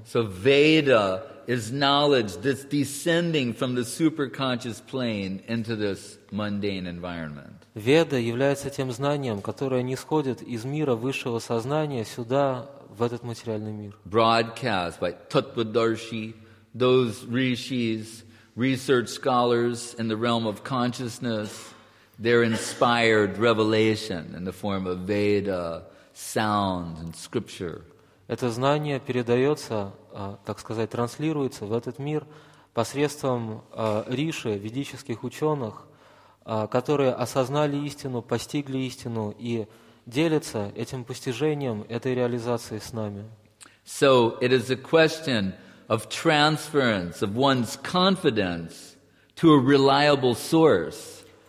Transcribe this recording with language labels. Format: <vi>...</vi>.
<en>So Veda is knowledge that's descending from the superconscious plane into this mundane environment.</en> <ru>Веда является тем знанием, которое нисходит из мира высшего сознания сюда, в этот материальный мир.</ru> <en>Broadcast by Tattvadarshi, those rishis, research scholars in the realm of consciousness, their inspired revelation in the form of Veda, sound and scripture.</en> <ru>это знание передается, как сказать, транслируется в этот мир посредством риши, ведических ученых, которые осознали истину, постигли истину и делятся этим постижением, этой реализацией с нами.</ru> <en>So it is a question of transference of one's confidence to a reliable source.</en>